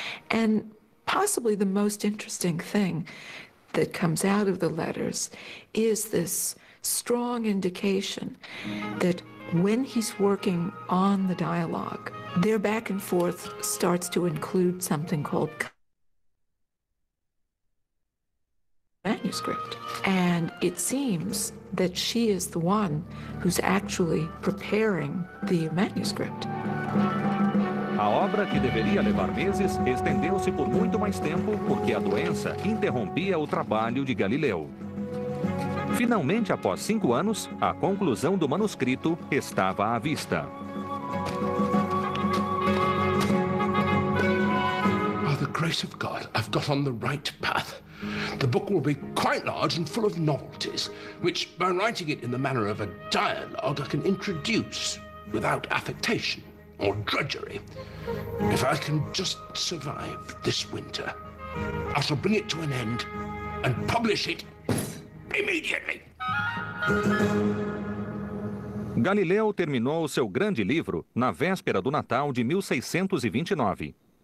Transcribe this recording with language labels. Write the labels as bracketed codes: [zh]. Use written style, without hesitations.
[en] And possibly the most interesting thing that comes out of the letters is this strong indication that when he's working on the dialogue, their back and forth starts to include something called manuscript. And it seems that she is the one who's actually preparing the manuscript. [pt] A obra, que deveria levar meses, estendeu-se por muito mais tempo porque a doença interrompia o trabalho de Galileu. Finalmente, após 5 anos, a conclusão do manuscrito estava à vista. [en] By the grace of God, I've got on the right path. The book will be quite large and full of novelties, which, by writing it in the manner of a dialogue, I can introduce without affectation or drudgery. If I can just survive this winter, I shall bring it to an end and publish it immediately. [pt] Galileu terminou seu grande livro na véspera do Natal de 1629.